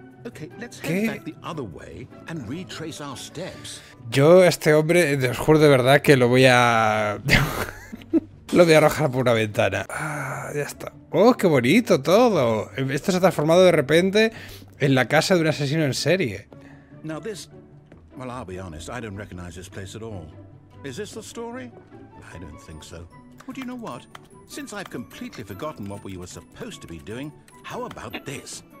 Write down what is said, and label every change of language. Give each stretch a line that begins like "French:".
English: Okay, let's head back the other way and retrace our steps.
Spanish: Yo, este hombre, os juro de verdad que lo voy a... lo voy a arrojar por una ventana. Ah, ya está. Oh, qué bonito todo. Esto se ha transformado de repente en la casa de un asesino en serie.
English: Now this... Well, I'll be honest, I don't recognize this place at all. Is this the story? I don't think so. Well, do you know what? Since I've completely forgotten what we were supposed to be doing, how about this?